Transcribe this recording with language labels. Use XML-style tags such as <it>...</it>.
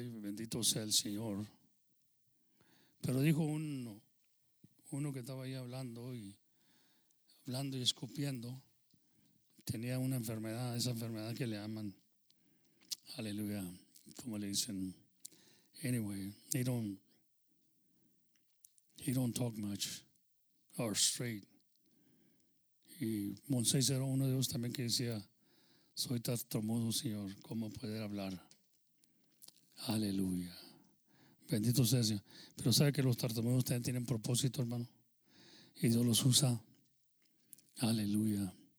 <es>Y bendito sea el Señor. Pero dijo uno que estaba ahí hablando y escupiendo, tenía una enfermedad, esa enfermedad que le llaman, aleluya, como le dicen.</es> <en>Anyway, he don't talk much or straight.</en> <es>Y Moisés era uno de ellos también que decía, soy tartamudo, Señor, ¿cómo poder hablar? Aleluya. Bendito sea el Señor. Pero sabe que los tartamudos también tienen propósito, hermano, y Dios los usa. Aleluya.</es>